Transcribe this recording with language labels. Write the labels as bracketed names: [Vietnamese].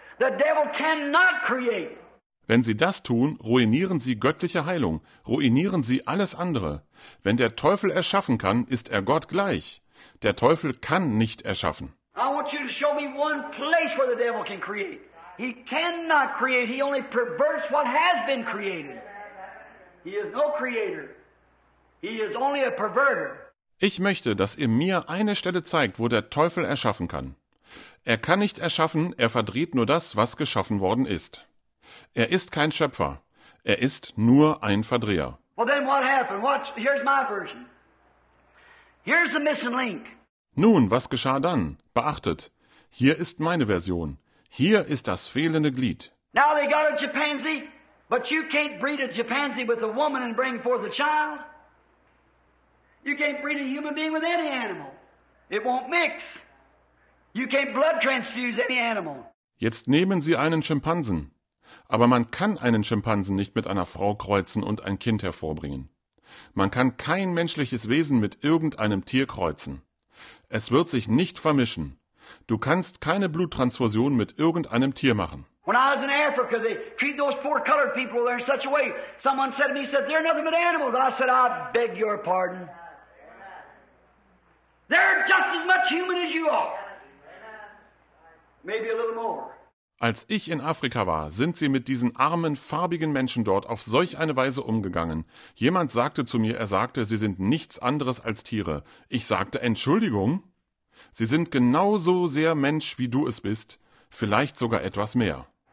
[English] The devil cannot create. [German] Wenn sie das tun, ruinieren sie göttliche Heilung, ruinieren sie alles andere. Wenn der Teufel erschaffen kann, ist er Gott gleich. Der Teufel kann nicht erschaffen. [English] I want you to show me one place where the devil can create. He cannot create, he only perverts what has been created. He is no creator. He is only a perverter. [German] Ich möchte, dass ihr mir eine Stelle zeigt, wo der Teufel erschaffen kann. Er kann nicht erschaffen, er verdreht nur das, was geschaffen worden ist. Er ist kein Schöpfer. Er ist nur ein Verdreher. [English] Well, then what happened? Here's my version. Here's the missing link. [German] Nun, was geschah dann? Beachtet, hier ist meine Version. Hier ist das fehlende Glied. [English] Now they got a chimpanzee, but you can't breed a chimpanzee with a woman and bring forth a child. You can't breed a human being with any animal. It won't mix. You can't blood transfuse any animal. [German] Jetzt nehmen sie einen Schimpansen. Aber man kann einen Schimpansen nicht mit einer Frau kreuzen und ein Kind hervorbringen. Man kann kein menschliches Wesen mit irgendeinem Tier kreuzen. Es wird sich nicht vermischen. Du kannst keine Bluttransfusion mit irgendeinem Tier machen. [English] When I was in Africa, they treat those poor colored people there in such a way. Someone said to me, he said, they're nothing but animals. I said, I beg your pardon. They're just as much human as you are. Maybe a little more. [German] Als ich in Afrika war, sind sie mit diesen armen, farbigen Menschen dort auf solch eine Weise umgegangen. Jemand sagte zu mir, sie sind nichts anderes als Tiere. Ich sagte, Entschuldigung, sie sind genauso sehr Mensch, wie du es bist, vielleicht sogar etwas mehr.